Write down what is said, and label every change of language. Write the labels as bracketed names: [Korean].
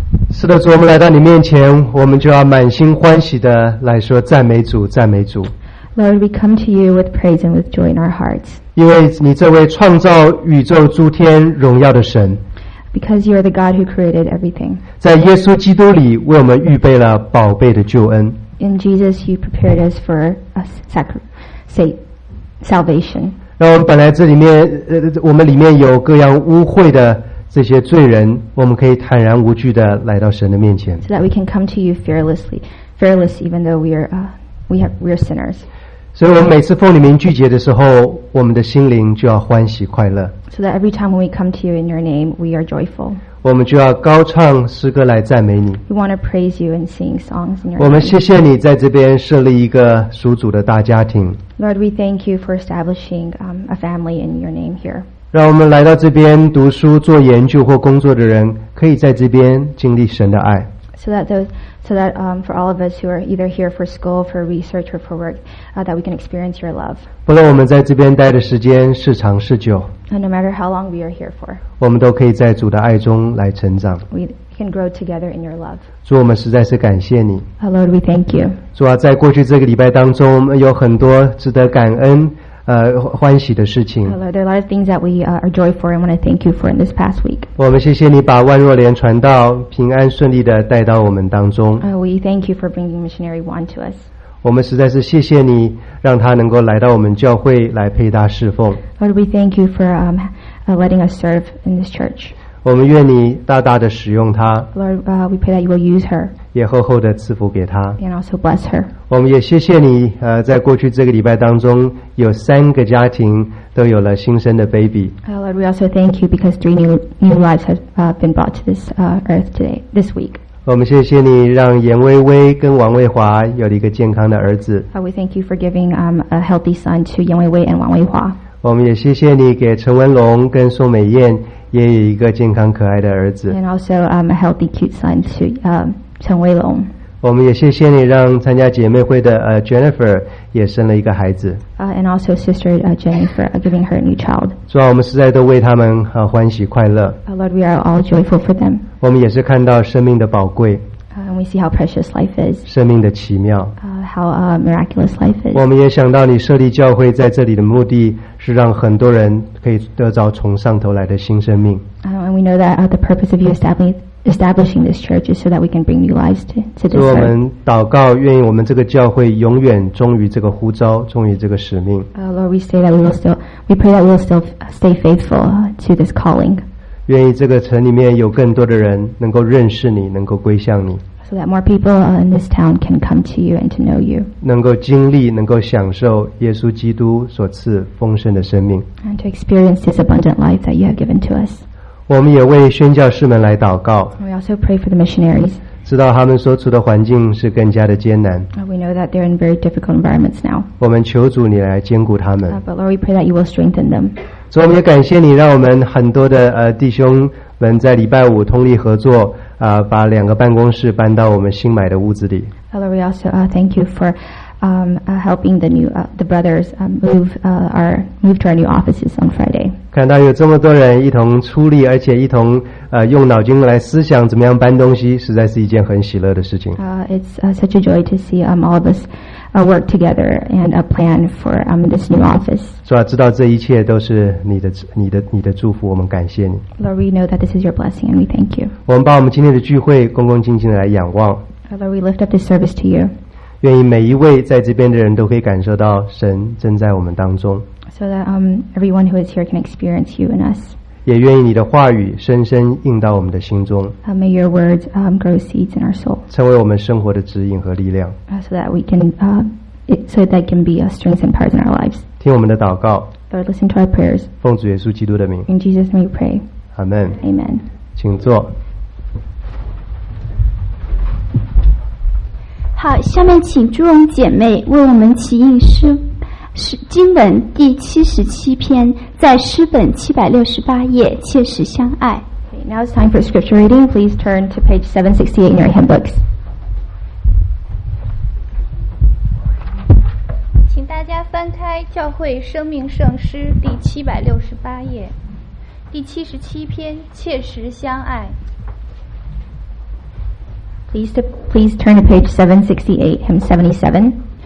[Chinese] 是的主，我们来到你面前，我们就要满心欢喜的来说赞美主，赞美主。 [English] Lord, we come to you with praise and with joy in our hearts. [Chinese] 因为你这位创造宇宙诸天荣耀的神。 [English] Because you are the God who created everything. [Chinese] 在耶稣基督里为我们预备了宝贝的救恩。 [English] In Jesus, you prepared us for a salvation. [Chinese] 让我们本来这里面，我们里面有各样污秽的。这些罪人，我们可以坦然无惧地来到神的面前。 [English] So that we can come to you fearlessly, fearless even though we are sinners. [Chinese] 所以我们每次奉你名聚集的时候，我们的心灵就要欢喜快乐。 [English] So that every time when we come to you in your name, we are joyful. [Chinese] 我们就要高唱诗歌来赞美你。 [English] We want to praise you and sing songs in your. [Chinese] 我们谢谢你在这边设立一个属主的大家庭。 [English] Lord, we thank you for establishing a family in your name here. [Chinese] 让我们来到这边读书、做研究或工作的人，可以在这边经历神的爱。 [English] So that for all of us who are either here for school, for research, or for work, that we can experience your love. [Chinese] 不论我们在这边待的时间是长是久 [English] ，And no matter how long we are here for, [Chinese] 我们都可以在主的爱中来成长。 [English] We can grow together in your love. [Chinese] 主，我们实在是感谢你。 [English] Lord, we thank you. [Chinese] 主啊，在过去这个礼拜当中，我们有很多值得感恩。欢喜的事情。 [English] Hello, there are a lot of things that we are joyful and want to thank you for in this past week. [Chinese] 我们谢谢你把万若莲传道平安顺利的带到我们当中。 [English] We thank you for bringing missionary Wan to us. [Chinese] 我们实在是谢谢你让他能够来到我们教会来配搭侍奉。 [English] Lord, we thank you for letting us serve in this church. [Chinese] 我们愿你大大的使用他。 [English] Lord, we pray that you will use her. [Chinese] 也厚厚的赐福给他。 [English] And also bless her. [Chinese] 我们也谢谢你在过去这个礼拜当中有三个家庭都有了新生的 baby. [English] Lord, we also thank you because three new lives have been brought to this earth today, this week. [Chinese] 我们谢谢你让严薇薇跟王卫华有了一个健康的儿子。 [English] We thank you for giving a healthy son to 严薇薇 and 王卫华。 [Chinese] 我们也谢谢你给陈文龙跟宋美燕也有一个健康可爱的儿子。 [English] And also a healthy cute son to 陈文龙。 [Chinese] 我们也谢谢你让参加姐妹会的Jennifer 也生了一个孩子。 [English] And also sister Jennifer giving her a new child. [Chinese] 主啊，我们实在都为他们欢喜快乐。 [English] Lord, we are all joyful for them. [Chinese] 我们也是看到生命的宝贵。 [English] And we see how precious life is. [Chinese] 生命的奇妙。 [English] How miraculous life is. [Chinese] 我们也想到你设立教会在这里的目的是让很多人可以得着从上头来的新生命。 [English] And we know that the purpose of you establishing this church is so that we can bring new lives to this earth. [Chinese] 我们祷告，愿意我们这个教会永远忠于这个呼召，忠于这个使命。 [English] Lord, we say that we pray that we'll still stay faithful to this calling. [Chinese] 愿意这个城里面有更多的人能够认识你，能够归向你。 [English] So that more people in this town can come to you and to know you. [Chinese] 能够经历，能够享受耶稣基督所赐丰盛的生命。 [English] And to experience this abundant life that you have given to us. [Chinese] 我们也为宣教士们来祷告。 [English] We also pray for the missionaries. [Chinese] 知道他们所处的环境是更加的艰难。 [English] We know that they're in very difficult environments now. [Chinese] 我们求主你来坚固他们。 [English] But Lord, we pray that you will strengthen them. [Chinese] 主，我们也感谢你让我们很多的弟兄们在礼拜五通力合作，把两个办公室搬到我们新买的屋子里。 [English] Lord, we also thank you for helping the brothers move to our new offices on Friday. [Chinese] 看到有这么多人一同出力，而且一同用脑筋来思想怎么样搬东西，实在是一件很喜乐的事情。 [English] It's such a joy to see all of us work together and a plan for this new office. [Chinese] 主啊，知道这一切都是你的祝福，我们感谢你。 [English] Lord, we know that this is your blessing and we thank you. [Chinese] 我们把我们今天的聚会恭恭敬敬的来仰望。 [English] Lord, we lift up this service to you. [Chinese] 愿意每一位在这边的人都可以感受到神正在我们当中。 [English] So that everyone who is here can experience you in us. [Chinese] 也愿意你的话语深深印到我们的心中。 [English] May your words grow seeds in our soul. [Chinese] 成为我们生活的指引和力量。 [English] So that we can so that can be a strength and power in our lives. [Chinese] 听我们的祷告。 [English] Lord, listen to our prayers. [Chinese] 奉主耶稣基督的名。 [English] In Jesus' name we pray. Amen. Amen. [Chinese] 请坐。好，下面请朱荣姐妹为我们起引诗。经文第77篇，在诗本768页，切实相爱。 [English] Okay, now it's time for scripture reading. Please turn to page 768 in your handbooks. [Chinese] 请大家翻开教会生命圣诗第768页，第77篇，切实相爱。 [English] Please turn to page 768, hymn 77.